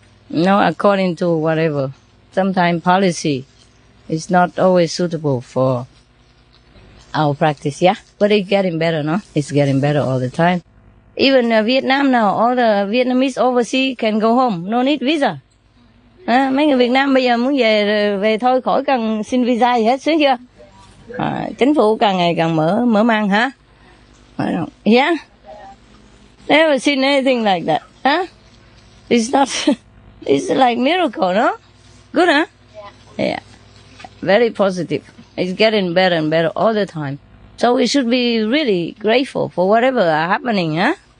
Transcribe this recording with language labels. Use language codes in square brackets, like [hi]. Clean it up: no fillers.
[en] No, according to whatever. Sometimes policy is not always suitable for our practice, yeah? But it's getting better, no? It's getting better all the time. Even Vietnam now, all the Vietnamese overseas can go home. No need visa. [vi] À, mấy người Việt Nam bây giờ muốn về về thôi khỏi cần xin visa gì hết, xứng chưa? À, chính phủ càng ngày càng mở mang hả? [en] Yeah? Never seen anything like that, huh? It's not, it's like miracle, no? Good, huh? Yeah. Yeah. Very positive. It's getting better and better all the time. So we should be really grateful for whatever are happening, huh?